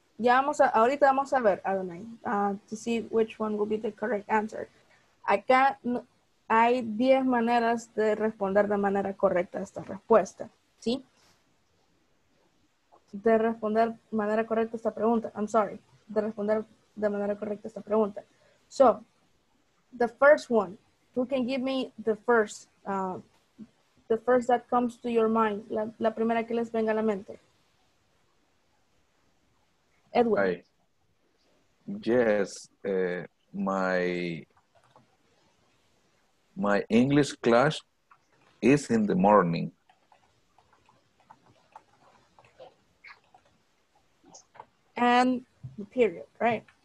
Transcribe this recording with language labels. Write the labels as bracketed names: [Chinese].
[Spanish] Ya ahorita vamos a ver, [English] Adonai, to see which one will be the correct answer. [Spanish] Acá hay 10 maneras de responder de manera correcta a esta respuesta, ¿sí? De responder de manera correcta a esta pregunta. [English] I'm sorry. [Spanish] De responder de manera correcta a esta pregunta. [English] So, the first one. Who can give me the first that comes to your mind? [Spanish] La primera que les venga a la mente. [English] Edward. Hi. Yes, my English class is in the morning. And the period, right?